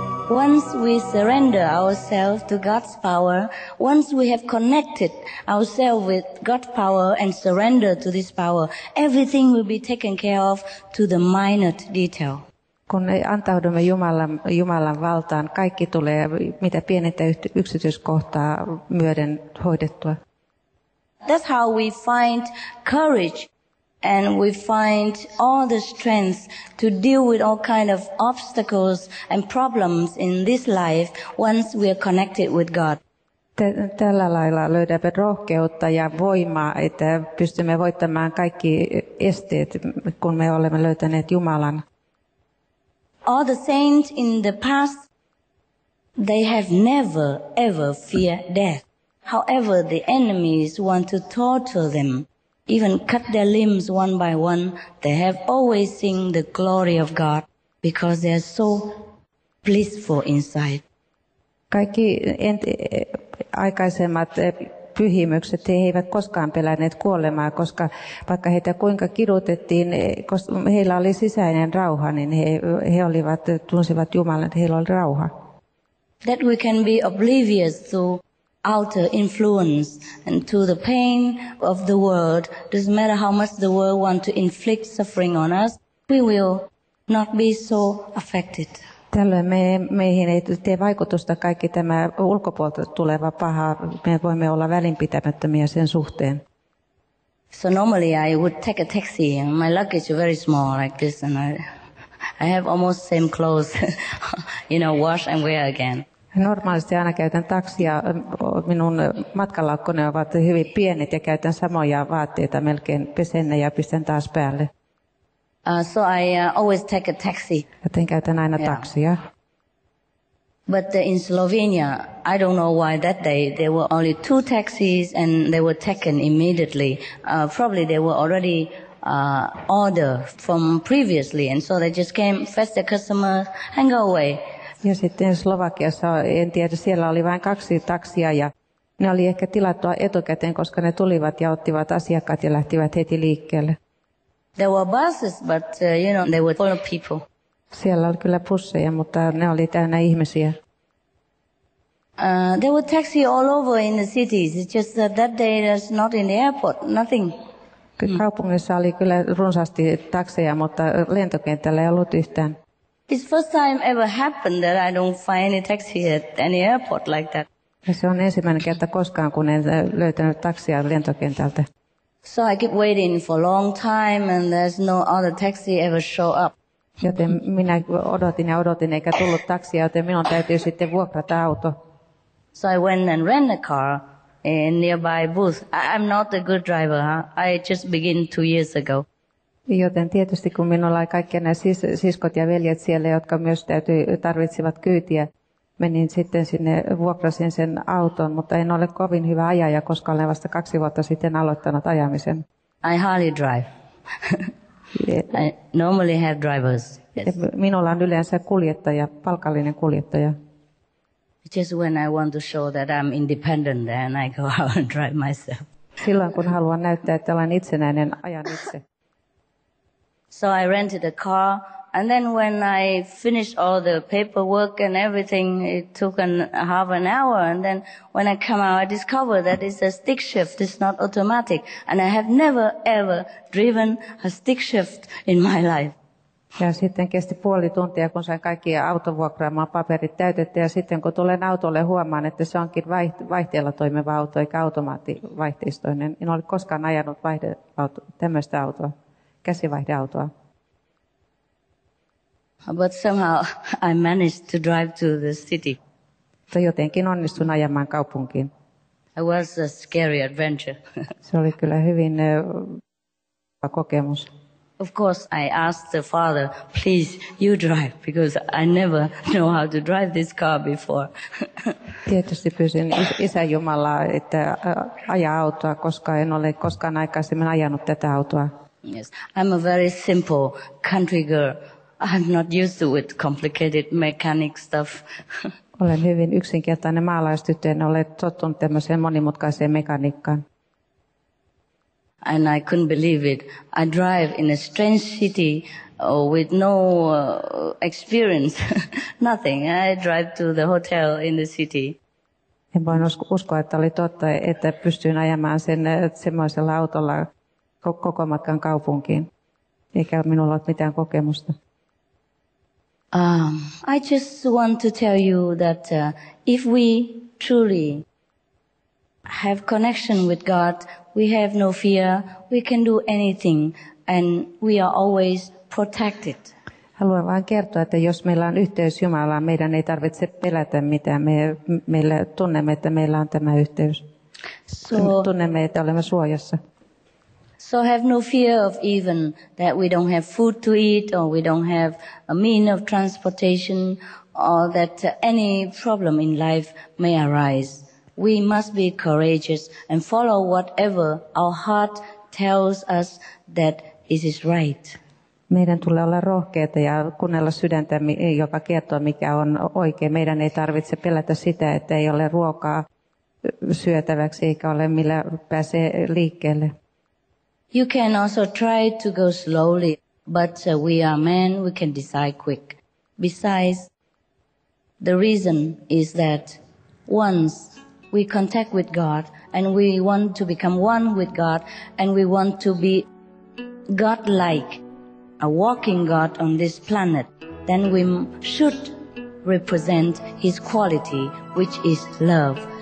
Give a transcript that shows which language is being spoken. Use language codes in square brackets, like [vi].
[en] Once we surrender ourselves to God's power, once we have connected ourselves with God's power and surrender to this power, everything will be taken care of to the minute detail. [fi] Kun antaudumme Jumalan valtaan, kaikki tulee mitä pienintä yksityiskohtaa myöden hoidettua. [en] That's how we find courage and we find all the strength to deal with all kind of obstacles and problems in this life once we are connected with God. [fi] Tällä lailla löydämme rohkeutta ja voimaa, että pystymme voittamaan kaikki esteet, kun me olemme löytäneet Jumalan. [en] All the saints in the past, they have never ever feared death. However, the enemies want to torture them, even cut their limbs one by one. They have always seen the glory of God because they are so blissful inside. [fi] Kaikki aikaisemmat pyhimykset, he eivät koskaan pelänneet kuolemaa, koska vaikka heitä kuinka kidutettiin, heillä oli sisäinen rauha, niin he olivat, tunsivat Jumalan, että heillä oli rauha. [en] That we can be oblivious to outer influence and to the pain of the world, doesn't matter how much the world want to inflict suffering on us, we will not be so affected. [fi] Tällöin meihin ei tee vaikutusta kaikki tämä ulkopuolelta tuleva paha. Me voimme olla välinpitämättömiä sen suhteen. [en] So normally I would take a taxi. My luggage is very small like this and I have almost same clothes, you know, wash and wear again. [fi] Normaalisti aina käytän taksia. Minun matkalaukkoni ovat hyvin pienet ja käytän samoja vaatteita melkein pesen ja pistän taas päälle. [en] So I always take a taxi. [fi] Joten käytän aina taksia. [en] But in Slovenia, I don't know why that day there were only two taxis and they were taken immediately. Probably they were already ordered from previously and so they just came, fetched the customer and go away. [fi] Ja sitten Slovakiassa, en tiedä, siellä oli vain kaksi taksia ja ne oli ehkä tilattua etukäteen, koska ne tulivat ja ottivat asiakkaat ja lähtivät heti liikkeelle. [en] There were buses, but you know, they were full of people. [fi] Siellä oli kyllä busseja, mutta ne oli täynnä ihmisiä. [en] There were taxi all over in the cities. It's just that day there's not in the airport, nothing. [fi] Kaupungissa oli kyllä runsaasti takseja, mutta lentokentällä ei ollut yhtään. [en] It's first time ever happened that I don't find any taxi at any airport like that. [fi] Ja se on ensimmäinen kerta koskaan, kun en löytänyt taksia lentokentältä. [en] So I keep waiting for a long time and there's no other taxi ever show up. [fi] Joten minä odotin ja odotin eikä tullut taksia, joten minun täytyy sitten vuokrata auto. [en] So I went and rent a car in nearby booth. I'm not a good driver, huh? I just begin 2 years ago. [fi] Joten tietysti kun minulla oli kaikki nämä siskot ja veljet siellä, jotka myös tarvitsivat kyytiä, menin sitten sinne, vuokrasin sen auton, mutta en ole kovin hyvä ajaja, koska olen vasta 2 vuotta sitten aloittanut ajamisen. [en] I hardly drive. I normally have drivers. Yes. [fi] Minulla on yleensä kuljettaja, palkallinen kuljettaja. [en] Just when I want to show that I'm independent, then I go out and drive myself. [fi] Silloin kun haluan näyttää, että olen itsenäinen, ajan itse. [en] So I rented a car. And then when I finished all the paperwork and everything, it took half an hour. And then when I come out, I discover that it's a stick shift. It's not automatic. And I have never, ever driven a stick shift in my life. [fi] Ja sitten kesti puoli tuntia, kun sain kaikki autovuokraamaan paperit täytettyä. Ja sitten kun tulen autolle, huomaan, että se onkin vaihteella toimiva auto, eikä automaattivaihteistoinen. En ole koskaan ajanut tämmöistä autoa, käsivaihdeautoa. [en] But somehow I managed to drive to the city. [fi] Mutta jotenkin onnistuin ajamaan kaupunkiin. [en] It was a scary adventure. [fi] Se oli kyllä hyvin kokemus. [en] Of course I asked the father, please you drive, because I never know how to drive this car before. [fi] Tietysti pyysin Isän Jumalaa, että aja autoa, koska en ole koskaan aikaisemmin ajanut tätä autoa. [en] Yes, I'm a very simple country girl. I'm not used to with complicated mechanic stuff. [fi] Olen hyvin yksinkertainen maalaistyttö, en ole tottunut tämmöiseen monimutkaiseen mekaniikkaan. [en] And I couldn't believe it. I drive in a strange city with no experience, nothing. I drive to the hotel in the city. [fi] En voin uskoa, että oli totta, että pystyin ajamaan sen semmoisella autolla koko matkan kaupunkiin. Eikä minulla ole mitään kokemusta. [en] I just want to tell you that if we truly have connection with God, we have no fear, we can do anything. and we are always protected. [fi] Haluan vain kertoa, että jos meillä on yhteys Jumalaan, meidän ei tarvitse pelätä mitään. Meillä tunnemme, että meillä on tämä yhteys. [en] So, [fi] tunnemme, että olemme suojassa. [en] So have no fear of even that we don't have food to eat or we don't have a means of transportation or that any problem in life may arise. We must be courageous and follow whatever our heart tells us that this is right. [fi] Meidän tulee olla rohkeita ja kuunnella sydäntä, joka kertoo, mikä on oikein. Meidän ei tarvitse pelätä sitä, että ei ole ruokaa syötäväksi eikä ole millä pääsee liikkeelle. [en] You can also try to go slowly, but we are men, we can decide quick. Besides, the reason is that once we contact with God and we want to become one with God and we want to be God-like, a walking God on this planet, then we should represent His quality, which is love.